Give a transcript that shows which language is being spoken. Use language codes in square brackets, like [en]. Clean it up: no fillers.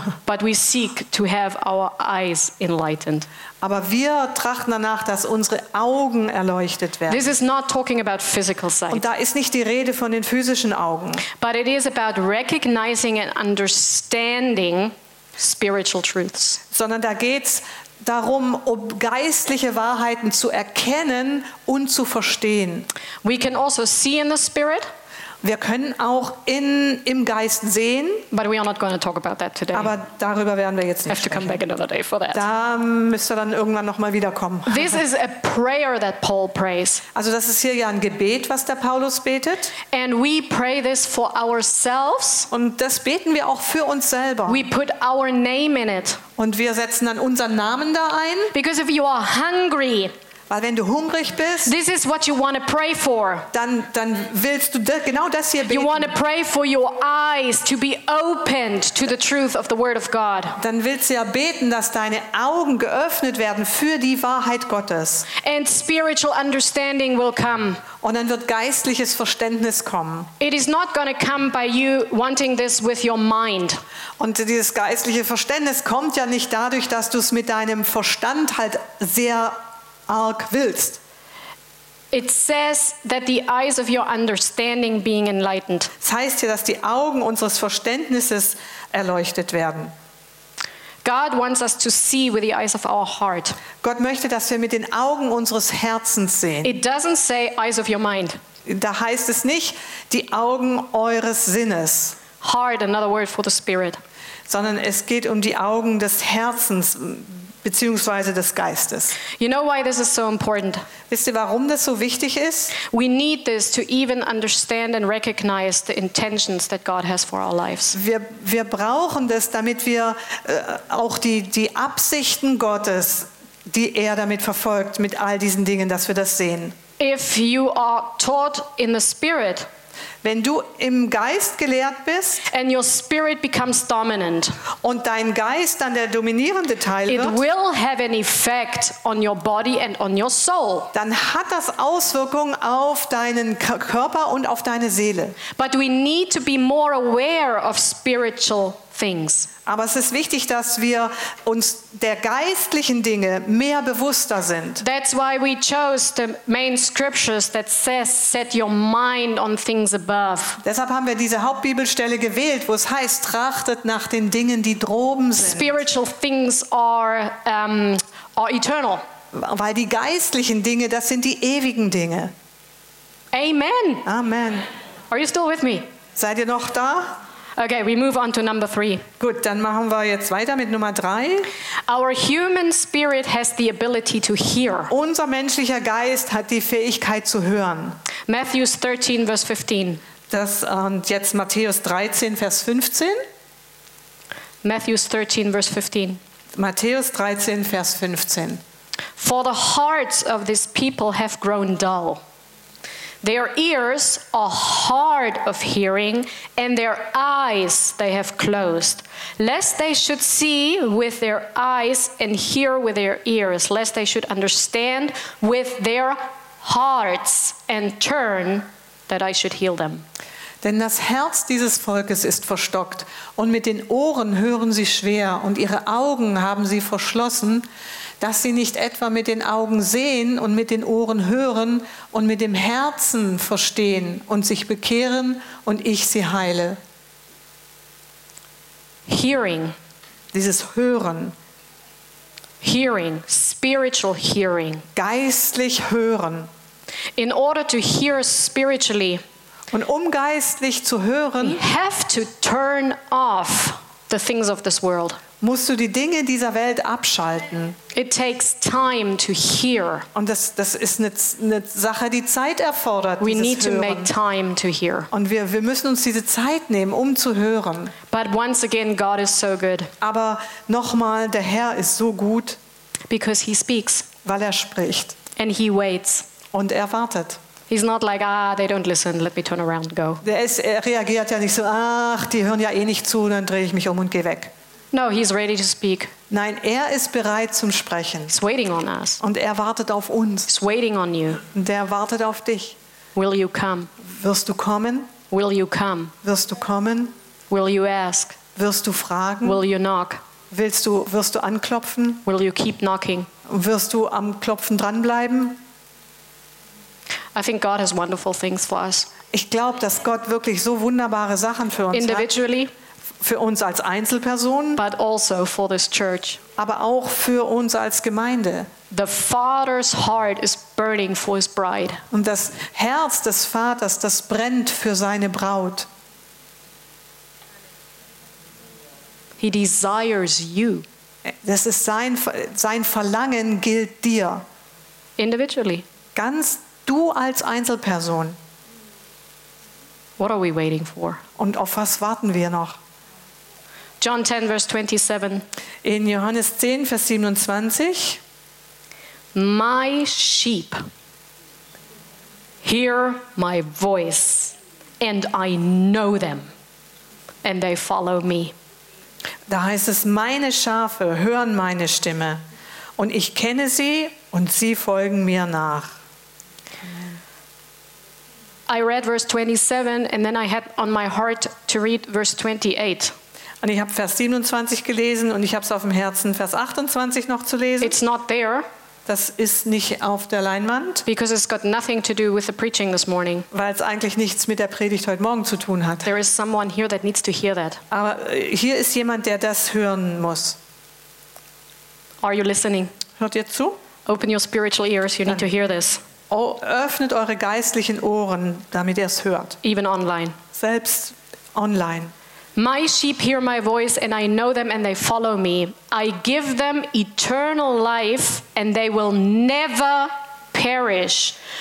[en] But we seek to have our eyes enlightened. [de] Aber wir trachten danach, dass unsere Augen erleuchtet werden. [en] This is not talking about physical sight. [de] Und da ist nicht die Rede von den physischen Augen. [en] But it is about recognizing and understanding spiritual truths. [de] Sondern da geht's darum, um geistliche Wahrheiten zu erkennen und zu verstehen. [en] We can also see in the spirit. [de] Wir können auch im Geist sehen. [en] But we are not going to talk about that today. [de] Aber darüber werden wir jetzt nicht sprechen. [en] Have to come back another day for that. [de] Da müsst ihr dann irgendwann noch mal wiederkommen. [en] This is a prayer that Paul prays. [de] Also das ist hier ja ein Gebet, was der Paulus betet. [en] And we pray this for ourselves. [de] Und das beten wir auch für uns selber. [en] We put our name in it. [de] Und wir setzen dann unseren Namen da ein. [en] Because if you are hungry, [de] weil wenn du hungrig bist, [en] this is what you want to pray for. [de] Dann willst du genau das hier beten. [en] You want to pray for your eyes to be opened to the truth of the word of God. [de] Dann willst du ja beten, dass deine Augen geöffnet werden für die Wahrheit Gottes. [en] And spiritual understanding will come. [de] Und dann wird geistliches Verständnis kommen. [en] It is not going to come by you wanting this with your mind. [de] Und dieses geistliche Verständnis kommt ja nicht dadurch, dass du es mit deinem Verstand halt sehr arg willst. [en] It says that the eyes of your understanding being enlightened. [de] Das heißt hier, dass die Augen unseres Verständnisses erleuchtet werden. [en] God wants us to see with the eyes of our heart. [de] Gott möchte, dass wir mit den Augen unseres Herzens sehen. [en] It doesn't say eyes of your mind. [de] Da heißt es nicht die Augen eures Sinnes. [en] Heart, another word for the spirit. [de] sondern es geht um die Augen des Herzens beziehungsweise des Geistes. [en] You know why this is so important? [de] Wisst ihr, warum das so wichtig ist? [en] We need this to even understand and recognize the intentions that God has for our lives. [de] Wir brauchen das, damit wir auch die Absichten Gottes, die er damit verfolgt, mit all diesen Dingen, dass wir das sehen. [en] If you are taught in the spirit, [de] wenn du im Geist gelehrt bist, [en] and your spirit becomes dominant, [de] und dein Geist dann der dominierende Teil wird, [en] it will have an effect on your body and on your soul. [de] Dann hat das Auswirkungen auf deinen Körper und auf deine Seele. [en] But we need to be more aware of spiritual things. [de] Aber es ist wichtig, dass wir uns der geistlichen Dinge mehr bewusster sind. [en] That's why we chose the main scriptures that says set your mind on things above. [de] Deshalb haben wir diese Hauptbibelstelle gewählt, wo es heißt, trachtet nach den Dingen, die droben sind. [en] Spiritual things are eternal. [de] Weil die geistlichen Dinge, das sind die ewigen Dinge. [en] Amen. [de] Amen. [en] Are you still with me? [de] Seid ihr noch da? [en] Okay, we move on to number 3. [de] Gut, dann machen wir jetzt weiter mit Nummer 3. [en] Our human spirit has the ability to hear. [de] Unser menschlicher Geist hat die Fähigkeit zu hören. [en] Matthew 13 verse 15. [de] Das und jetzt Matthäus 13 Vers 15. [en] Matthew 13 verse 15. [de] Matthäus 13 Vers 15. [en] For the hearts of these people have grown dull. Their ears are hard of hearing, and their eyes they have closed, lest they should see with their eyes and hear with their ears, lest they should understand with their hearts and turn, that I should heal them. [de] Denn das Herz dieses Volkes ist verstockt, und mit den Ohren hören sie schwer, und ihre Augen haben sie verschlossen, dass sie nicht etwa mit den Augen sehen und mit den Ohren hören und mit dem Herzen verstehen und sich bekehren und ich sie heile. [en] Hearing. [de] Dieses Hören. [en] Hearing. Spiritual hearing. [de] Geistlich hören. [en] In order to hear spiritually. [de] Und um geistlich zu hören. [en] We have to turn off the things of this world. [de] Musst du die Dinge dieser Welt abschalten. [en] It takes time to hear. [de] Und das ist eine Sache, die Zeit erfordert. [en] We need to make time to hear. [de] Und wir müssen uns diese Zeit nehmen, um zu hören. [en] But once again, God is so good. [de] Aber nochmal, der Herr ist so gut. [en] Because he speaks. [de] Weil er spricht. [en] And he waits. [de] Und er wartet. [en] He's not like, ah, they don't listen, let me turn around and go. [de] Er reagiert ja nicht so, ach, die hören ja eh nicht zu, dann drehe ich mich um und gehe weg. [en] No, he's ready to speak. [de] Nein, er ist bereit zum Sprechen. [en] He's waiting on us. [de] Und er wartet auf uns. [en] He's waiting on you. [de] Und er wartet auf dich. [en] Will you come? [de] Wirst du kommen? [en] Will you come? [de] Wirst du kommen? [en] Will you ask? [de] Wirst du fragen? [en] Will you knock? [de] Wirst du anklopfen? [en] Will you keep knocking? [de] Wirst du am Klopfen dranbleiben? [en] I think God has wonderful things for us. [de] Ich glaube, dass Gott wirklich so wunderbare Sachen für uns [en] individually, [de] hat. Für uns als Einzelpersonen, [en] but also for this church. [de] Aber auch für uns als Gemeinde. [en] The Father's heart is burning for his bride. [de] Und das Herz des Vaters, das brennt für seine Braut. [en] He desires you. [de] Das ist sein Verlangen gilt dir. [en] Individually. [de] Ganz du als Einzelperson. [en] What are we waiting for? [de] Und auf was warten wir noch? [en] John 10, verse 27. [de] In Johannes 10, Vers 27. [en] My sheep hear my voice and I know them and they follow me. [de] Da heißt es, meine Schafe hören meine Stimme und ich kenne sie und sie folgen mir nach. [en] I read verse 27 and then I had on my heart to read verse 28. [de] Und ich habe Vers 27 gelesen und ich habe es auf dem Herzen, Vers 28 noch zu lesen. [en] It's not there. [de] Das ist nicht auf der Leinwand. [en] Because it's got nothing to do with the preaching this morning. [de] Weil es eigentlich nichts mit der Predigt heute Morgen zu tun hat. [en] There is someone here that needs to hear that. [de] Aber hier ist jemand, der das hören muss. [en] Are you listening? [de] Hört ihr zu? [en] Open your spiritual ears. You need to hear this. [de] Öffnet eure geistlichen Ohren, damit ihr es hört. [en] Even online. [de] Selbst online. [en] My sheep hear my voice and I know them and they follow me. I give them eternal life and they will never perish.